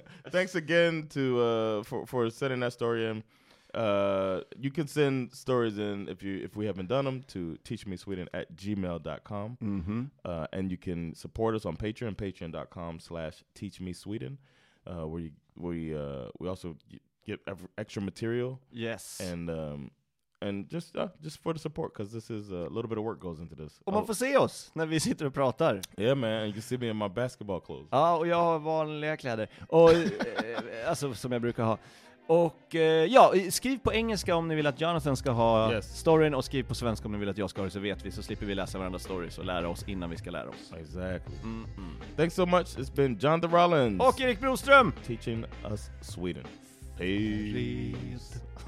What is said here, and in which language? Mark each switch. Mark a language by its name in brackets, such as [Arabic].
[English] Thanks again for sending that story in. You can send stories in if we haven't done them to teachmesweden@gmail.com. Mm-hmm. And you can support us on Patreon, patreon.com/teachmesweden, where we also get extra material. Yes. And just for the support, because this is a little bit of work goes into this. [Swedish] Och man får se oss när vi sitter och pratar. [English] Yeah, man. You can see me in my basketball clothes. [Swedish] Ja, och jag har vanliga kläder. Och, alltså, som jag brukar ha. Och ja, skriv på engelska om ni vill att Jonathan ska ha storyn, och skriv på svenska om ni vill att jag ska ha det, så vet vi, så slipper vi läsa varandras stories och lära oss innan vi ska lära oss. [English] Exactly. Mm-hmm. Thanks so much. It's been Jonathan Rollins. [Swedish] Och Erik Broström. [English] Teaching us Sweden. Peace. Please.